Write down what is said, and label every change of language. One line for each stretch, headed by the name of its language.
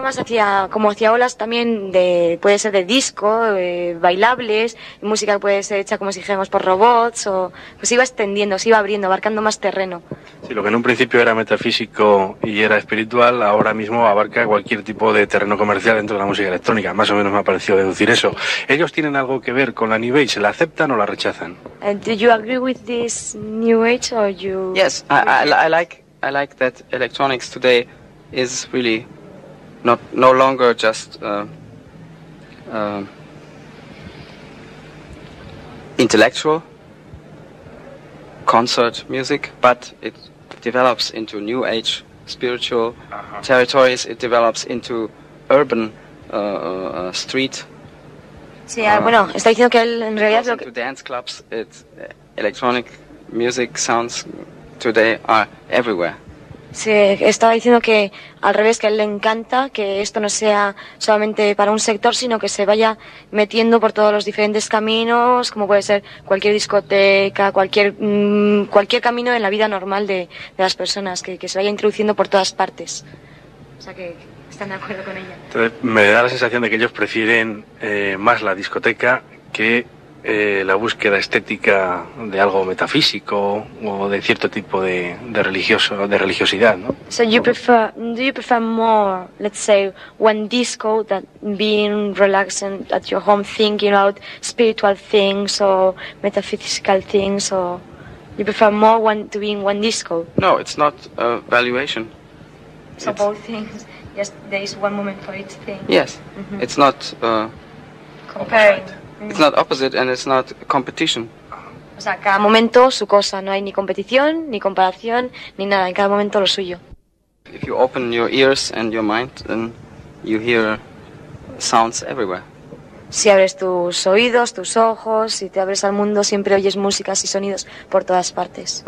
Spanish: Más hacia, como hacia olas también, de puede ser de disco, bailables, música puede ser hecha como si dijéramos por robots, o pues iba extendiendo, se iba abriendo, abarcando más terreno. Sí, lo que en un principio era metafísico y era espiritual, ahora mismo abarca cualquier tipo de terreno comercial dentro de la música electrónica. Más o menos me ha parecido deducir eso. ¿Ellos tienen algo que ver con la New Age? ¿La aceptan o la rechazan?
English: Do you agree with this New Age or you... Yes, I like that electronics today is really no longer just intellectual concert music, but it develops into New Age spiritual uh-huh. territories. It develops into urban street.
Spanish: Sí, bueno, está diciendo que él en realidad lo que...
English: Into dance clubs, it's electronic music sounds today are everywhere.
Spanish: Sí, estaba diciendo que al revés, que a él le encanta que esto no sea solamente para un sector, sino que se vaya metiendo por todos los diferentes caminos, como puede ser cualquier discoteca, cualquier camino en la vida normal de las personas, que se vaya introduciendo por todas partes. O sea que están de acuerdo con ella. Entonces, me da la sensación de que ellos prefieren más la discoteca que la búsqueda estética de algo metafísico o de cierto tipo de religioso, de religiosidad, ¿no?
English: So you prefer, do you prefer more, let's say, when disco than being relaxing at your home, thinking about spiritual things or metaphysical things, or you prefer more when doing one disco? No, it's not a valuation. So it's both things. Yes, there is one moment for each thing. Yes, mm-hmm. It's not comparing. It's not opposite and it's not competition.
Spanish: O sea, cada momento su cosa, no hay ni competición, ni comparación, ni nada, en cada momento lo suyo.
English: If you open your ears and your mind, then you hear sounds everywhere.
Spanish: Si abres tus oídos, tus ojos, si te abres al mundo, siempre oyes músicas y sonidos por todas partes.